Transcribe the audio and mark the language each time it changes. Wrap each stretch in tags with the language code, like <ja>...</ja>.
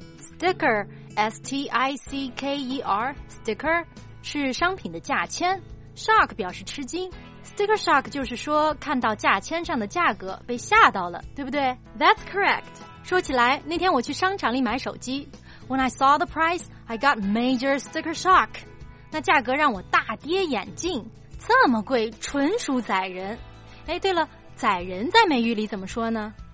<en>Sticker, S-T-I-C-K-E-R. Sticker</en> <zh>是商品的价签。Shock 表示吃惊。 Sticker shock 就是说看到价签上的价格被吓到了，对不对 ？</zh> <en>That's correct.</en> <zh>说起来，那天我去商场里买手机</zh> <en>，When I saw the price, I got major sticker shock.</en> <zh>那价格让我大跌眼镜，这么贵，纯属宰人。哎，对了，宰人在美语里怎么说呢</zh>